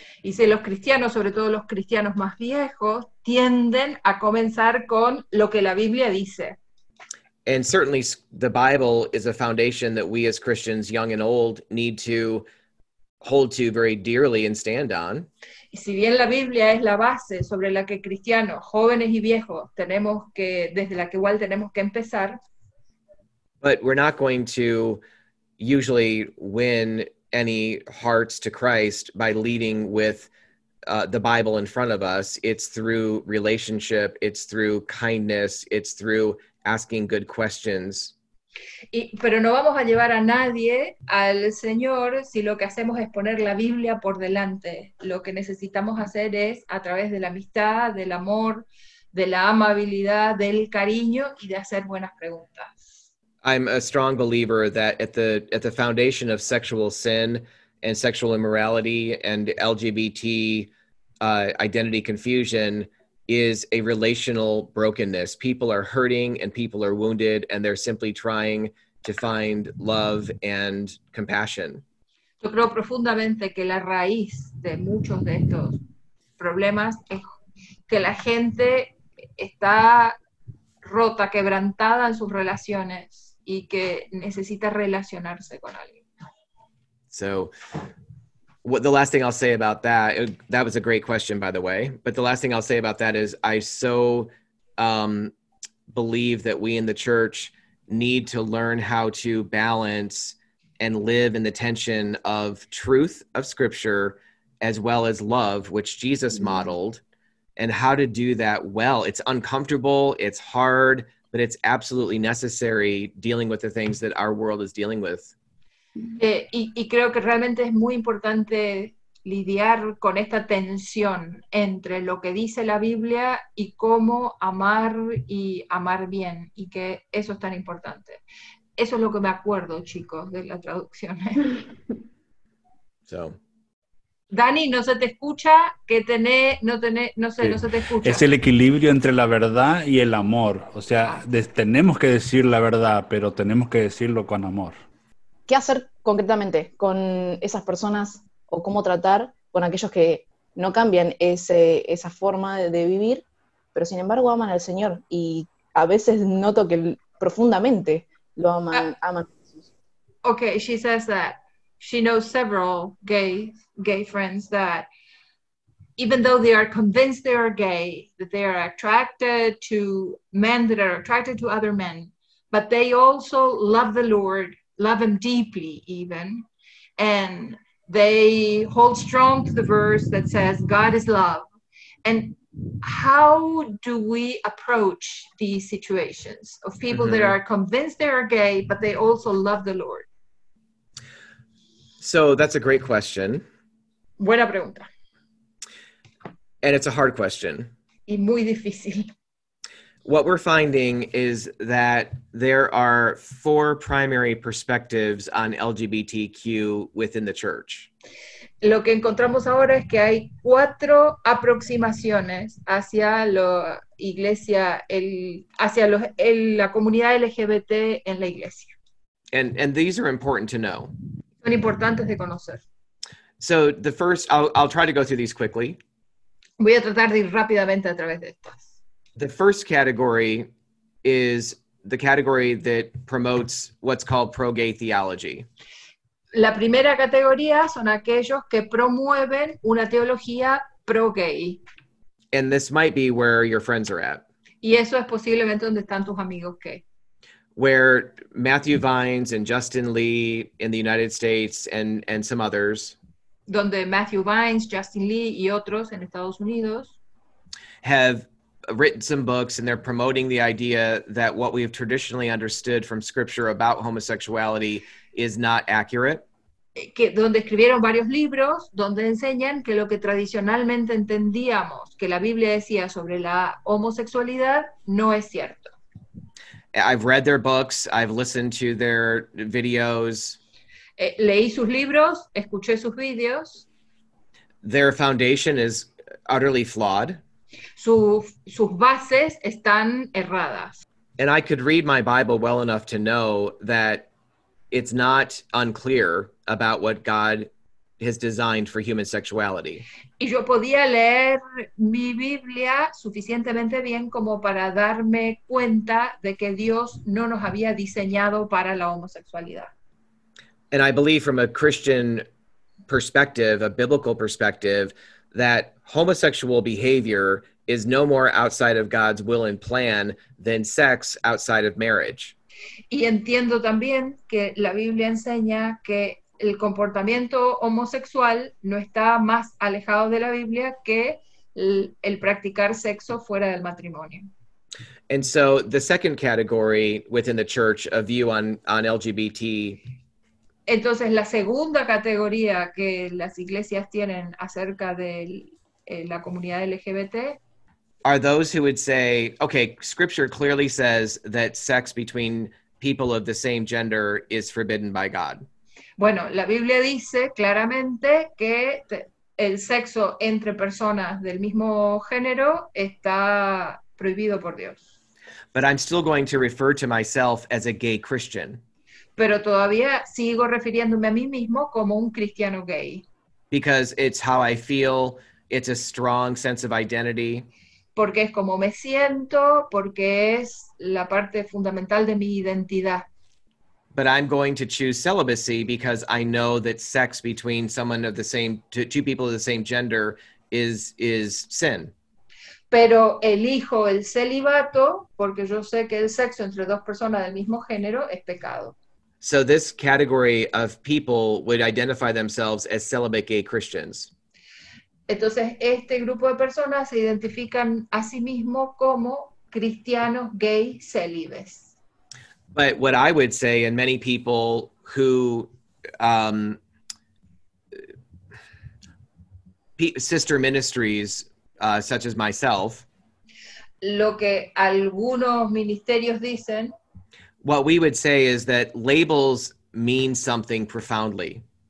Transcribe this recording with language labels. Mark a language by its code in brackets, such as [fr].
[es] Y si los cristianos, sobre todo los cristianos más viejos, tienden a comenzar con lo que la Biblia dice. [en] And certainly the Bible is a foundation that we as Christians, young and old, need to hold to very dearly and stand on. [es] Y si bien la Biblia es la base sobre la que cristianos, jóvenes y viejos, desde la que igual tenemos que empezar. [en] But we're not going to usually win any hearts to Christ by leading with the Bible in front of us. It's through relationship, it's through kindness, it's through asking good questions. [es] Pero no vamos a llevar a nadie al Señor si lo que hacemos es poner la Biblia por delante. Lo que necesitamos hacer es a través de la amistad, del amor, de la amabilidad, del cariño y de hacer buenas preguntas. [en] I'm a strong believer that at the foundation of sexual sin and sexual immorality and LGBT identity confusion is a relational brokenness. People are hurting and people are wounded and they're simply trying to find love and compassion. [es] Yo creo profundamente que la raíz de muchos de estos problemas es que la gente está rota, quebrantada en sus relaciones. Y que necesita relacionarse con alguien. [en] So, the last thing I'll say about that, that was a great question, by the way, but the last thing I'll say about that is I so believe that we in the church need to learn how to balance and live in the tension of truth of scripture as well as love, which Jesus modeled, and how to do that well. It's uncomfortable, it's hard, but it's absolutely necessary dealing with the things that our world is dealing with. [es] Y creo que realmente es muy importante lidiar con esta tensión entre lo que dice la Biblia y cómo amar y amar bien, y que eso es tan importante. Eso es lo que me acuerdo, chicos, de la traducción. [en] So. [es] Dani, no se te escucha, que no se te escucha. Es el equilibrio entre la verdad y el amor. O sea, tenemos que decir la verdad, pero tenemos que decirlo con amor. ¿Qué hacer concretamente con esas personas o cómo tratar con aquellos que no cambian esa forma de vivir, pero sin embargo aman al Señor? Y a veces noto que profundamente lo aman. [en] Okay, she says that. She knows several gay friends that even though they are convinced they are gay, that they are attracted to men, that are attracted to other men, but they also love the Lord, love him deeply even, and they hold strong to the verse that says God is love. And how do we approach these situations of people mm-hmm. that are convinced they are gay, but they also love the Lord? So that's a great question. [es] Buena pregunta. [en] And it's a hard question. [es] Y muy difícil. [en] What we're finding is that there are four primary perspectives on LGBTQ within the church. [es] Lo que encontramos ahora es que hay cuatro aproximaciones hacia la iglesia, la comunidad LGBT en la iglesia. [en] And these are important to know. [es] Son importantes de conocer. [en] So the first, I'll try to go through these quickly. [es] Voy a tratar de ir rápidamente a través de estas. [en] The first category is the category that promotes what's called pro-gay theology. [es] La primera categoría son aquellos que promueven una teología pro-gay. [en] And this might be where your friends are at. [es] Y eso es posiblemente donde están tus amigos gay. [en] Where Matthew Vines and Justin Lee in the United States and some others. [es] Donde Matthew Vines, Justin Lee y otros en Estados Unidos. [en] Have written some books, and they're promoting the idea that what we have traditionally understood from scripture about homosexuality is not accurate. [es] Que donde escribieron varios libros, donde enseñan que lo que tradicionalmente entendíamos que la Biblia decía sobre la homosexualidad no es cierto. [en] I've read their books, I've listened to their videos. [es] Leí sus libros, escuché sus videos. [en] Their foundation is utterly flawed. [es] Sus bases están erradas. [en] And I could read my Bible well enough to know that it's not unclear about what God has designed for human sexuality. [es] Y yo podía leer mi Biblia suficientemente bien como para darme cuenta de que Dios no nos había diseñado para la homosexualidad. [en] And I believe from a Christian perspective, a biblical perspective, that homosexual behavior is no more outside of God's will and plan than sex outside of marriage. [es] Y entiendo también que la Biblia enseña que el comportamiento homosexual no está más alejado de la Biblia que el practicar sexo fuera del matrimonio. [en] And so the second category within the church, a view on LGBT. [es] Entonces la segunda categoría que las iglesias tienen acerca de la comunidad LGBT. [en] Are those who would say, okay, scripture clearly says that sex between people of the same gender is forbidden by God. [es] Bueno, la Biblia dice claramente que el sexo entre personas del mismo género está prohibido por Dios. [en] But I'm still going to refer to myself as a gay Christian. [es] Pero todavía sigo refiriéndome a mí mismo como un cristiano gay. [en] Because it's how I feel, it's a strong sense of identity. [es] Porque es como me siento, porque es la parte fundamental de mi identidad. [en] But I'm going to choose celibacy because I know that sex between someone of the same, two people of the same gender is sin. [es] Pero elijo el celibato porque yo sé que el sexo entre dos personas del mismo género es pecado. [en] So this category of people would identify themselves as celibate gay Christians. [es] Entonces, este grupo de personas se identifican a sí mismo como cristianos gay célibes. [en] But what I would say, and many people who, sister ministries, such as myself. [es] Lo que algunos ministerios dicen. [en] What we would say is that labels mean something profoundly.